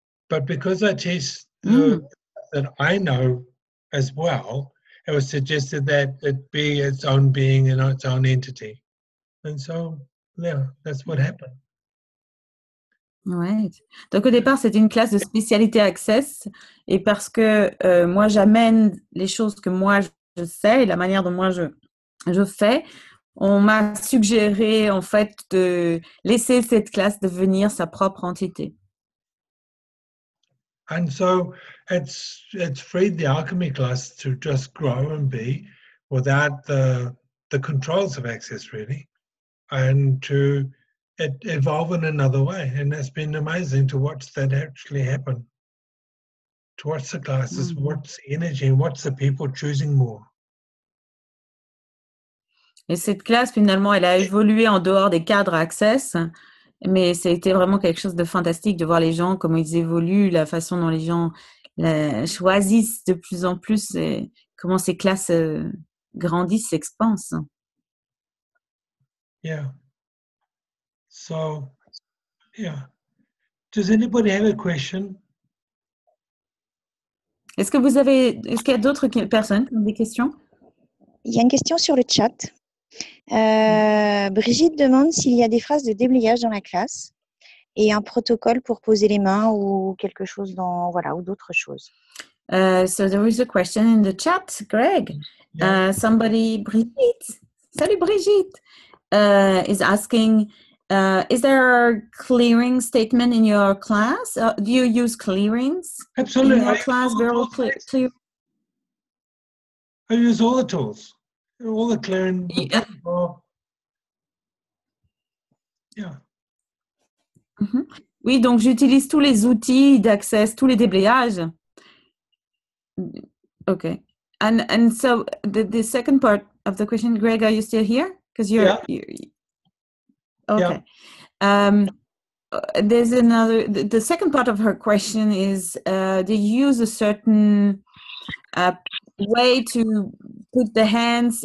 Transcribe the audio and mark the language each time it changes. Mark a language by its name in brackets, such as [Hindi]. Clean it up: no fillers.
[English] But because I teach that I know as well, it was suggested that it be its own being and its own entity. And so, yeah, that's what happened. Right. [French] Donc au départ, c'était une classe de spécialité access. Et parce que moi, j'amène les choses que moi, je sais, la manière dont moi, je fais, on m'a suggéré, en fait, de laisser cette classe devenir sa propre entité. [English] And so it's freed the alchemy class to just grow and be without the controls of access, really, and to evolve in another way. And it's been amazing to watch that actually happen, to watch the classes, watch the energy, and watch the people choosing more. [French] Et cette classe, finalement, elle a évolué en dehors des cadres access. Mais c'était vraiment quelque chose de fantastique de voir les gens, comment ils évoluent, la façon dont les gens choisissent de plus en plus et comment ces classes grandissent, s'expansent. [English] Yeah. So, Does anybody have a question? [French] Est-ce qu'il y a d'autres personnes qui ont des questions? Il y a une question sur le chat. Brigitte demande s'il y a des phrases de déblayage dans la classe et un protocole pour poser les mains ou quelque chose dans voilà ou d'autres choses. [English] So there is a question in the chat, Greg. Brigitte. [French] Salut Brigitte. [English] Is asking Is there a clearing statement in your class? Do you use clearings? Absolutely. In your class, verbal clearing? I use all the tools. All the clearing. Yeah. Mm-hmm. [French] Oui, donc j'utilise tous les outils d'accès, tous les déblayages. [English] Okay. And so the second part of the question, Greg, are you still here? Because you're... Yeah. Okay. Yeah. There's another... The second part of her question is, do you use a certain way to put the hands?